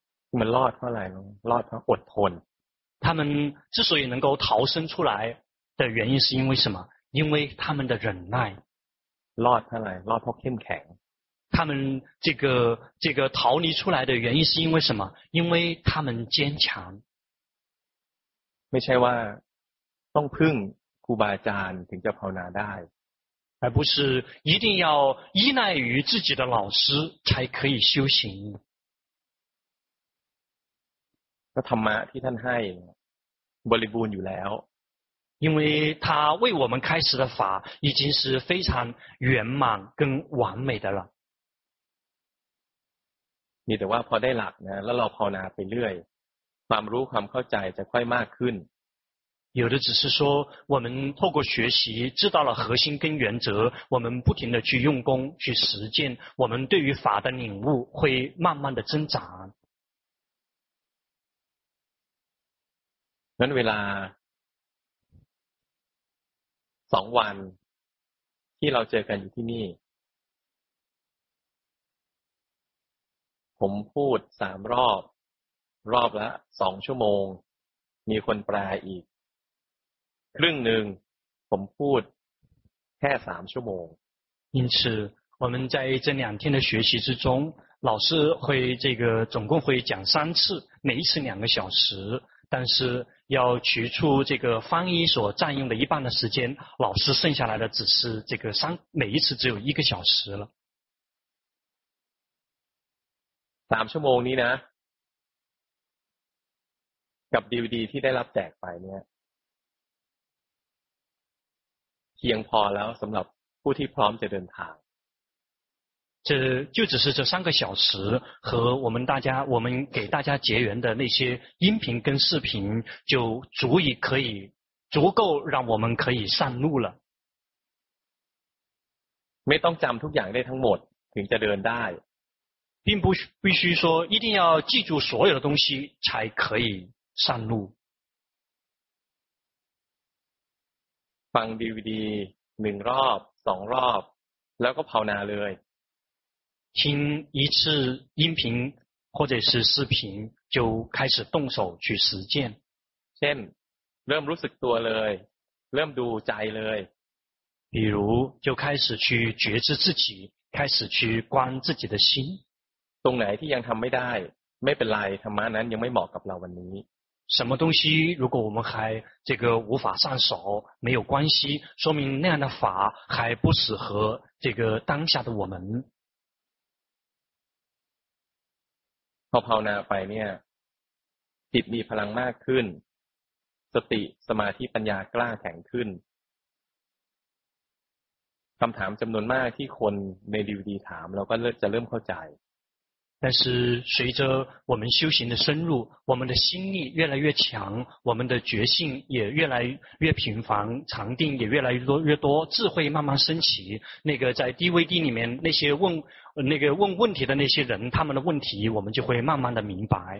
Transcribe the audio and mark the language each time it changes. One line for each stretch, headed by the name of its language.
Chinese: 我们落出来了，落出来了，稳吞。他们之所以能够逃生出来的原因是因为什么？因为他们的忍耐。落出来，落出坚强。他们这个逃离出来的原因是因为什么？因为他们坚强。
Thai: ไม่ใช่ว่าต้องพึ่งครูบาอาจารย์ถึงจะภาวนาได้
Chinese: 。而不是一定要依赖于自己的老师才可以修行。
Thai: ก็ธรรมะที่ท่านให้บริบูรณ์อยู่แล้ว。
Chinese: 因为他为我们开始的法已经是非常圆满跟完美的了。
Thai: มีแต่ว่าพอได้หลักนะแล้วเราภาวนาไปเรื่อยความรู้ความเข้าใจจะค่อยมากขึ้น
Chinese: 有的只是说我们透过学习知道了核心跟原则我们不停的去用功去实践我们对于法的领悟会慢慢的增长
Thai: นั้นเวลา2วันที่เราเจอกันอยู่ที่นี่ผมพูด3รอบรอบละ2ชั่วโมงมีคนแปลอีกครึ่งนึงผมพูดแค่3ชั่วโมง
Chinese: 因此我们在这两天的学习之中老师会这个总共会讲3次每一次两个小时，但是要取出这个翻译所占用的一半的时间，老师剩下来的只是这个三，每一次只有一个小时了。
Thai: 三ชั่วโมงนี้นะกับดีวีดีที่ได้รับแจกไปเนี่ยเพียงพอแล้วสำหรับผู้ที่พร้อมจะเดินทาง
Chinese: 这就只是这三个小时和我们大家我们给大家结缘的那些音频跟视频就足以可以足够让我们可以上路了
Thai: ไม่ต้องจำทุกอย่างได้ทั้งหมดถึงจะเดินได้
Chinese: 并不必须说一定要记住所有的东西才可以上路
Thai: ฟัง DVD หนึ่งรอบสองรอบแล้วก็ภาวนาเลย
Chinese: 听一次音频或者是视频就开始动手去实践
Thai: เช่นเริ่มรู้สึกตัวเลยเริ่มดูใจเลย
Chinese: 比如就开始去觉知自己开始去观自己的心
Thai: ตรงไหนที่ยังทำไม่ได้ไม่เป็นไรธรรมะนั้นยังไม่เหมาะกับเราวันนี้
Chinese: 什么东西如果我们还这个无法上手没有关系说明那样的法还不适合这个当下的我们
Thai: พอภาวนาไปเนี่ยจิตมีพลังมากขึ้นสติสมาธิปัญญากล้าแข็งขึ้นคำถามจำนวนมากที่คนในดีวีดีถามเราก็จะเริ่มเข้าใจ
Chinese: 但是随着我们修行的深入我们的心力越来越强我们的觉性也越来越频繁禅定也越来越 多智慧慢慢升起那个在 DVD 里面那些问那个问问题的那些人他们的问题我们就会慢慢的明白